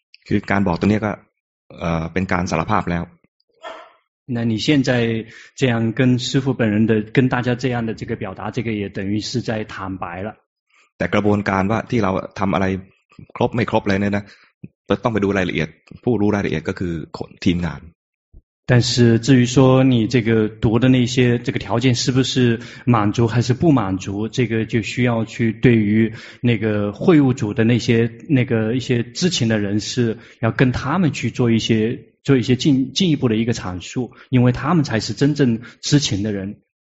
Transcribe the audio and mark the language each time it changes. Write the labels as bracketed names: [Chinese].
[Thai] คือการบอกตรงนี้ก็เป็นการสารภาพแล้ว [Chinese] 那你现在这样跟师父本人的跟大家这样的这个表达这个也等于是在坦白了 [Thai] แต่กระบวนการว่าที่เราทำอะไรครบไม่ครบเลยเนี่ยนะต้องไปดูรายละเอียดผู้รู้รายละเอียดก็คือคนทีมงาน [Chinese] 但是至于说你这个读的那些这个条件是不是满足还是不满足这个就需要去对于那个会务组的那些那个一些知情的人士要跟他们去做一些进一步的一个阐述因为他们才是真正知情的人